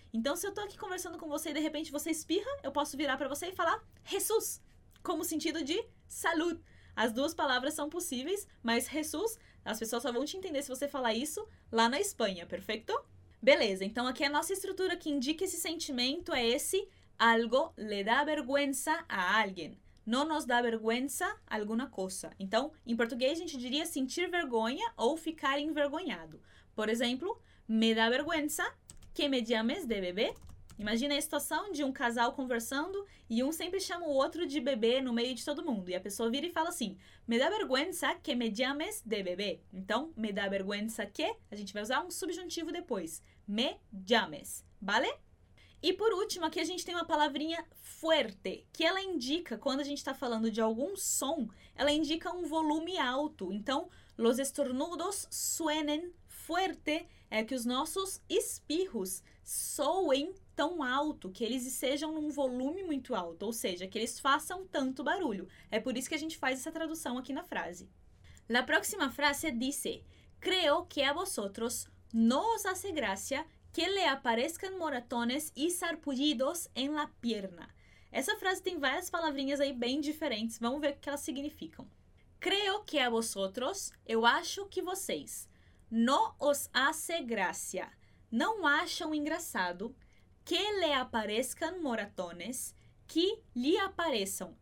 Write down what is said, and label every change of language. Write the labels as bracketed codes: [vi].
[pt] Então, se eu estou aqui conversando com você e de repente você espirra, eu posso virar para você e falar Jesus, como sentido de salud. As duas palavras são possíveis, mas Jesus, as pessoas só vão te entender se você falar isso lá na Espanha, perfeito? Beleza, então aqui a nossa estrutura que indica esse sentimento é esse [es] algo le da vergüenza a alguien. No nos da vergüenza alguna cosa. [pt] Então, em português, a gente diria sentir vergonha ou ficar envergonhado. [es] Por exemplo, me da vergüenza que me llames de bebê. [pt] Imagina a situação de um casal conversando e um sempre chama o outro de bebê no meio de todo mundo. E a pessoa vira e fala assim, [es] me da vergüenza que me llames de bebê. [pt] Então, [es] me da vergüenza que, [pt] a gente vai usar um subjuntivo depois. Me llames, vale? E por último, aqui a gente tem uma palavrinha fuerte, que ela indica, quando a gente está falando de algum som, ela indica um volume alto. Então, [es] los estornudos suenen fuerte, [pt] é que os nossos espirros soem tão alto, que eles sejam num volume muito alto, ou seja, que eles façam tanto barulho. É por isso que a gente faz essa tradução aqui na frase. [es] La próxima frase dice: creo que a vosotros no os hace gracia que le aparezcan moratones y sarpullidos en la pierna. [pt] Essa frase tem várias palavrinhas aí bem diferentes, vamos ver o que elas significam. [es] Creo que a vosotros, [pt] eu acho que vocês, [es] no os hace gracia, [pt] não acham engraçado, [es] que le aparezcan moratones, [pt] que lhe apareçam.